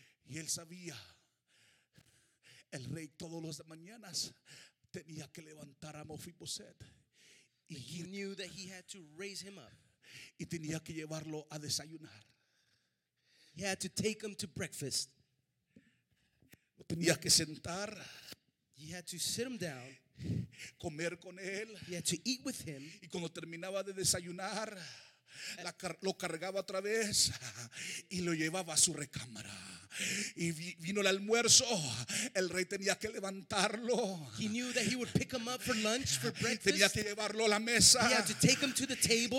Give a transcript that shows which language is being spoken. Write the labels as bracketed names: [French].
[Spanish] Y él sabía, el rey todos los mañanas tenía que levantar a Mefiboset. [English] Y he knew that he had to raise him up. [Spanish] Y tenía que llevarlo a desayunar. [English] He had to take him to breakfast. [Spanish] Lo tenía que sentar. [English] He had to sit him down. [Spanish] Comer con él. [English] He had to eat with him. [Spanish] Y cuando terminaba de desayunar, lo cargaba otra vez y lo llevaba a su recámara. Y vino el almuerzo, el rey tenía que levantarlo. [English] He knew that he would pick him up for lunch, for breakfast. [Spanish] Tenía que llevarlo a la mesa. [English] He had to take him to the table.